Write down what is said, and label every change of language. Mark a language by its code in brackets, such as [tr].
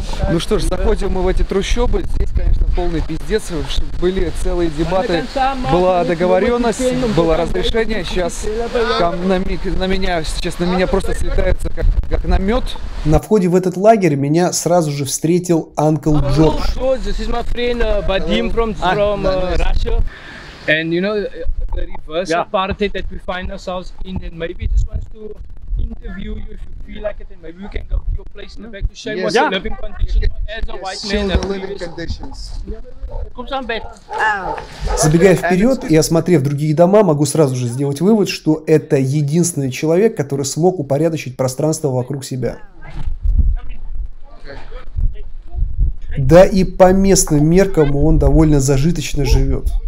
[ru] Ну что ж, заходим мы в эти трущобы. Здесь, конечно, полный пиздец, были целые дебаты, была договоренность, было разрешение, сейчас на меня просто слетается как на мед. На входе в этот лагерь меня сразу же встретил Uncle Джордж. [en] This is my friend Vadim from Russia, and you know the reverse apartheid that we find ourselves in, and maybe just wants to interview you if you feel like it, and maybe we can go to your place in the back to show what's your living conditions as a white man. Show the living conditions. [ru] Забегая вперед и осмотрев другие дома, могу сразу же сделать вывод, что это единственный человек, который смог упорядочить пространство вокруг себя. Да и по местным меркам он довольно зажиточно живет.